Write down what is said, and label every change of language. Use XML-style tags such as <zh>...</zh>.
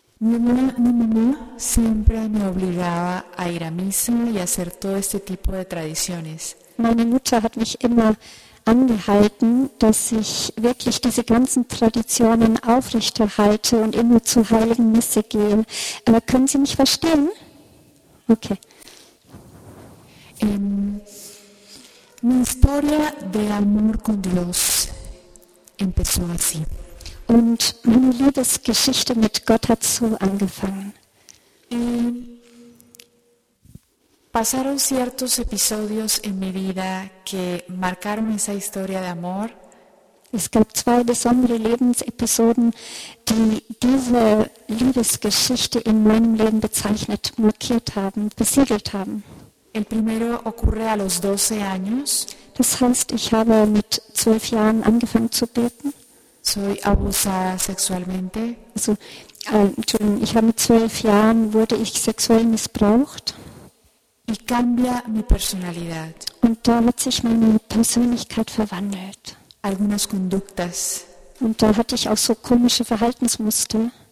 <es>Mi mamá siempre me obligaba a ir a misa y hacer todo este tipo de tradiciones.</es> <de>Meine Mutter hat mich immer angehalten, dass ich wirklich diese ganzen Traditionen aufrechterhalte und immer zur Heiligen Messe gehe. Aber können Sie mich verstehen? Okay.</de> <es>Mi historia de amor con Dios empezó así.</es> <de>Und meine Liebesgeschichte mit Gott hat so angefangen.</de> <es>Pasaron ciertos episodios en mi vida que marcaron esa historia de amor.</es> <de>Es gab zwei besondere Lebensepisoden, die diese Liebesgeschichte in meinem Leben bezeichnet, markiert haben, besiegelt haben.</de> <es>El primero ocurre a los 12 años.</es> <de>Das heißt, ich habe mit 12 Jahren angefangen zu beten.</de> <es>Soy abusada sexualmente.</es> <de>Also, Entschuldigung, ich habe mit 12 Jahren wurde ich sexuell missbraucht.</de> <es>Y cambia mi personalidad.</es> <de>Und da hat sich meine Persönlichkeit verwandelt.</de> <es>Algunas conductas.</es> <de>Und da hatte ich auch so komische Verhaltensmuster.</de>